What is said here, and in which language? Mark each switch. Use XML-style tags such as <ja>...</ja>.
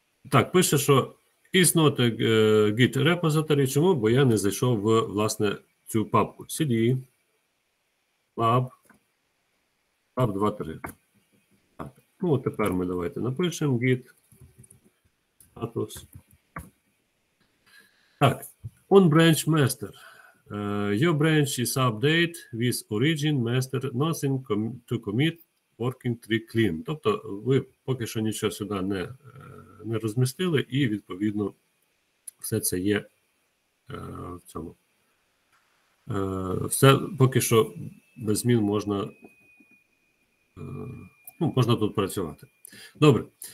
<uk>Так, пише, що</uk> <en>is not a git repository.</en> <uk>Чому? Бо я не зайшов в, власне, цю папку.</uk> <en>CD, lab, lab2.3.</en> <uk>Так, ну, тепер ми давайте напишемо git status.</uk> <en>Так, on branch master. Your branch is update with origin master, nothing to commit, working tree clean.</en> <uk>Тобто, ви поки що нічого сюди не розмістили, і відповідно все це є в цьому. Все поки що без змін можна, ну, можна тут працювати. Добре.</uk>